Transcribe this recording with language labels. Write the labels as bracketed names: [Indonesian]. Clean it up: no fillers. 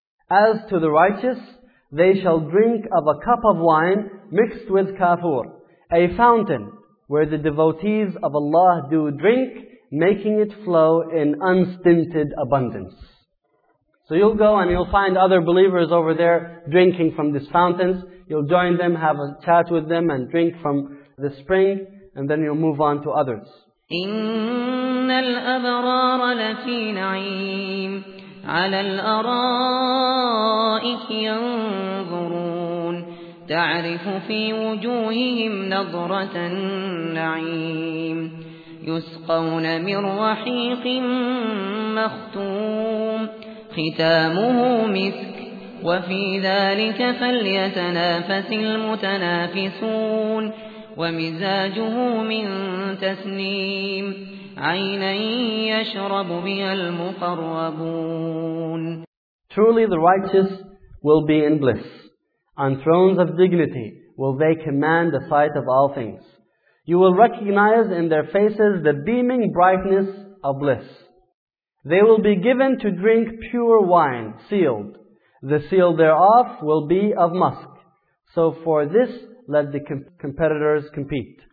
[English] As to the righteous, they shall drink of a cup of wine mixed with kafur, a fountain where the devotees of Allah do drink, making it flow in unstinted abundance. So you'll go and you'll find other believers over there drinking from these fountains. You'll join them, have a chat with them, and drink from the spring, and then you'll move on to others. [Arabic] إِنَّ الْأَبْرَارَ لَفِي نَعِيمٍ عَلَى الْأَرَائِكِ يَنْظُرُونَ تَعْرِفُ فِي وُجُوهِهِمْ نَظْرَةَ النَّعِيمِ يُسْقَوْنَ مِنْ رَحِيقٍ مَخْتُومٍ ختامه مسك وفي ذلك فليتنافس المتنافسون ومزاجه من تسنيم عينا يشرب بها المقربون. [English] Truly the righteous will be in bliss. On thrones of dignity will they command the sight of all things. You will recognize in their faces the beaming brightness of bliss. They will be given to drink pure wine, sealed. The seal thereof will be of musk. So for this, let the competitors compete.